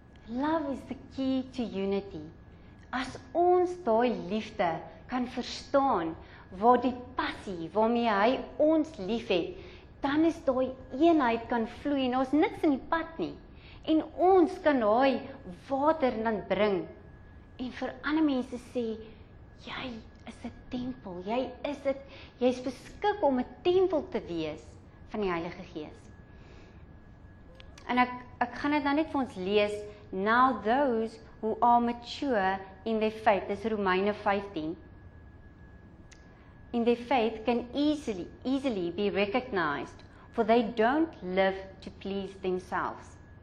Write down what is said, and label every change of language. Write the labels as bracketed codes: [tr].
[en] Love is the key to unity. [af] As ons daai liefde kan verstaan waar die passie waarmee hy ons liefhet, dan is daai eenheid kan vloei en ons niks in die pad nie. En ons kan daai water dan bring en vir ander mense sê, jy is 'n tempel, jy is dit, jy is beskik om 'n tempel te wees van die Heilige Gees. En ek gaan dit nou net vir ons lees, [en] now those who are mature in their faith, [af] dis Romeine 15, [en] in their faith can easily be recognized, for they don't live to please themselves.